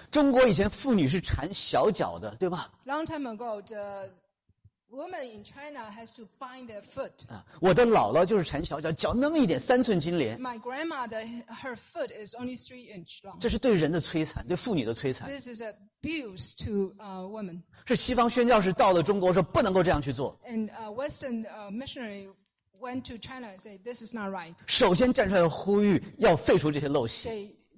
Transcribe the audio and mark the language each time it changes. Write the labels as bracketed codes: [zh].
[zh] 中国以前妇女是缠小脚的，对吧 [en] ？Long time ago, the woman in China has to bind their foot. [zh] 我的姥姥就是缠小脚，脚那么一点，三寸金莲。 [en] My grandmother, her foot is only 3 inch long. [zh] 这是对人的摧残，对妇女的摧残。 [en] This is abuse to women. [zh] 是西方宣教士到了中国说不能够这样去做。 [en] And Western missionary went to China and said this is not right. [zh] 首先站出来呼吁要废除这些陋习。